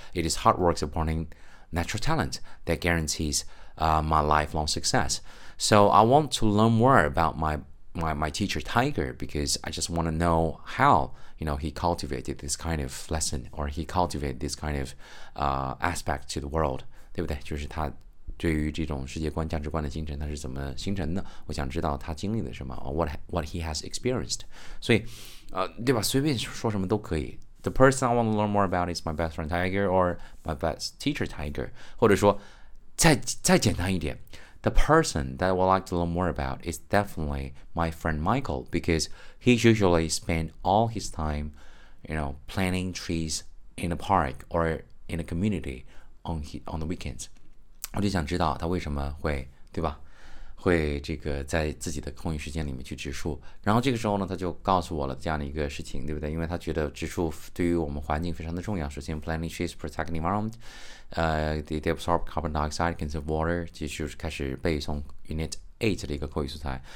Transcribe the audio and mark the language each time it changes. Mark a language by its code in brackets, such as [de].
[en] It is hard work supporting natural talent that guarantees my lifelong success. So I want to learn more about my teacher Tiger because I just want to know how you know he cultivated this kind of lesson or he cultivated this kind of aspect to the world, [zh] 对不对？就是他对于这种世界观、价值观的形成，他是怎么形成的？我想知道他经历了什么 ， [en] what he has experienced. [zh] 所以，对吧？随便说什么都可以。 [en] The person I want to learn more about is my best friend Tiger or my best teacher Tiger. [zh] 或者说，再简单一点。 [en] The person that I would like to learn more about is definitely my friend Michael because he usually spends all his time, you know, planting trees in a park or in a community on the weekends. [zh] 我就想知道他为什么会，对吧？会这个在自己的空余时间里面去植树。然后这个时候呢，他就告诉我了这样的一个事情，对不对？因为他觉得植树对于我们环境非常的重要。 [en] 首先 ，planting trees protect the environment。They absorb carbon dioxide, conserve water, [zh] 这就是开始背诵 Unit 8的一个口语素材。